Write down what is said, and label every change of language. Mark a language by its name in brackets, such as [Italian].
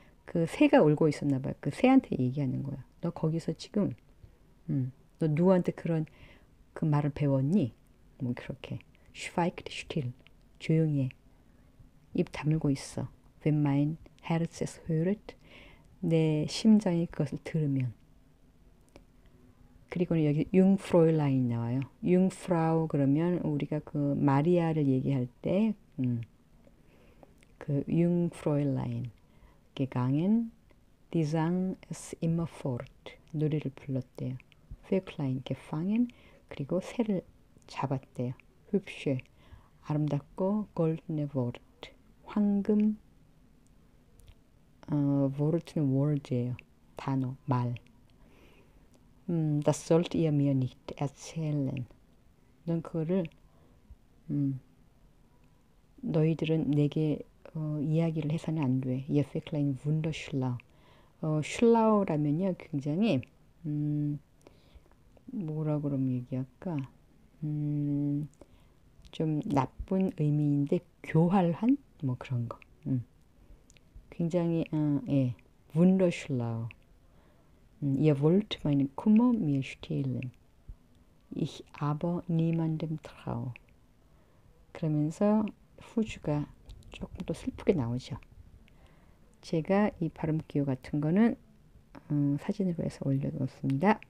[Korean] 그 새가 울고 있었나 봐요. 그 새한테 얘기하는 거야. 너 거기서 지금 너 누구한테 그런 그 말을 배웠니? 뭐 그렇게. [German] Schweigt still. [Korean] 조용히 해. 입 다물고 있어. [German] Wenn mein Herz es höret. [Korean] 내 심장이 그것을 들으면. 그리고는 여기 Jungfräulein 나와요. [German] Jungfrau [Korean] 그러면 우리가 그 마리아를 얘기할 때, 그 [German] Jungfräulein gegangen, die sang es immer fort. [Korean] 노래를 불렀대요. [German] Vöglein gefangen, [Korean] 그리고 새를 잡았대요. [German] Hübsche, [Korean] 아름답고, [German] goldene Wort, [Korean] 황금, Wort는 word예요. 단어, 말. [German] Das sollt ihr mir nicht erzählen. [Korean] 넌 그거를, 너희들은 내게 이야기를 해서는 안 돼. [German] Ihr Vöglein wunderschlau. [Korean] Schlau라면요, 굉장히, 뭐라 그러면 얘기할까? 좀 나쁜 의미인데 교활한 뭐 그런 거. 굉장히 예. Wunderschlau. [German] Ihr wollt meinen Kummer mir stehlen. Ich aber niemandem trau. [Korean] 그러면서 후주가 조금 더 슬프게 나오죠. 제가 이 발음 기호 같은 거는 사진으로 해서 올려 놓습니다.